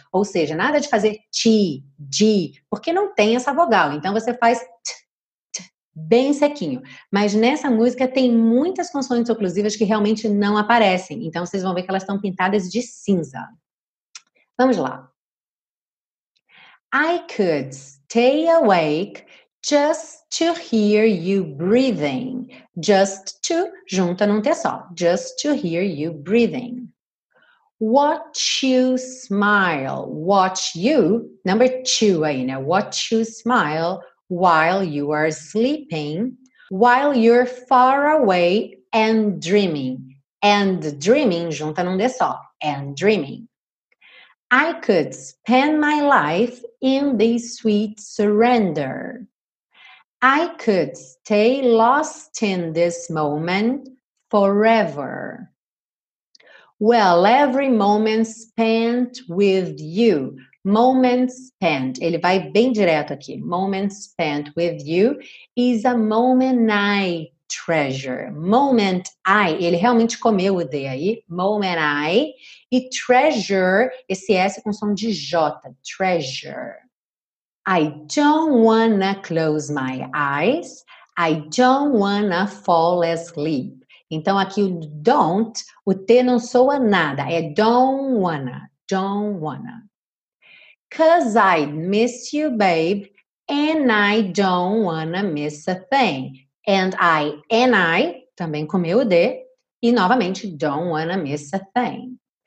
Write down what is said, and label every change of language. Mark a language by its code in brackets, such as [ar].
[pt] Ou seja, nada de fazer T, G, porque não tem essa vogal. Então você faz T. Bem sequinho. Mas nessa música tem muitas consoantes oclusivas que realmente não aparecem. Então vocês vão ver que elas estão pintadas de cinza. Vamos lá. [en] I could stay awake just to hear you breathing. Just to, [pt] junta num T só. [en] Just to hear you breathing. Watch you smile. Watch you, number two aí, né? Watch you smile. While you are sleeping, while you're far away and dreaming. And dreaming, [pt] junta num D só. [en] And dreaming. I could spend my life in this sweet surrender. I could stay lost in this moment forever. Well, every moment spent with you. [pt] Moment spent, ele vai bem direto aqui. [en] Moment spent with you is a moment I treasure. [pt] Moment I, ele realmente comeu o D aí. [en] Moment I. [pt] E treasure, esse S com som de J. [en] Treasure. I don't wanna close my eyes. I don't wanna fall asleep. [pt] Então aqui o don't, o T não soa nada. [en] É don't wanna. Don't wanna. Cause I'd miss you, babe, and I don't wanna miss a thing. And I, [pt] também comeu o D, e novamente, [en] don't wanna miss a thing.